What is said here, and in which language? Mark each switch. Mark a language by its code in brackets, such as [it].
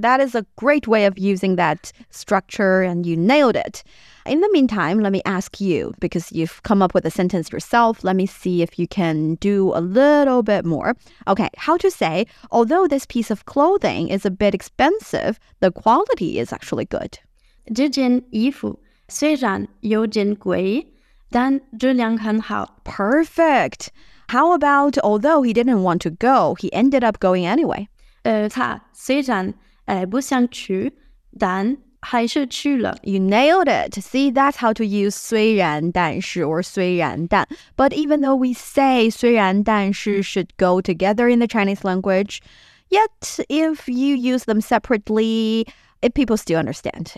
[en] That is a great way of using that structure, and you nailed it. In the meantime, let me ask you, because you've come up with a sentence yourself, let me see if you can do a little bit more. Okay, how to say, although this piece of clothing is a bit expensive, the quality is actually good. [zh] 这件衣服虽然有点贵,但质量很好. [en] Perfect. How about, although he didn't want to go, he ended up going anyway? [zh] 他虽然不想去,但... [en] You nailed it. See, that's how to use 虽然但是 or 虽然但. But even though we say 虽然但是 should go together in the Chinese language, yet if you use them separately, people still understand.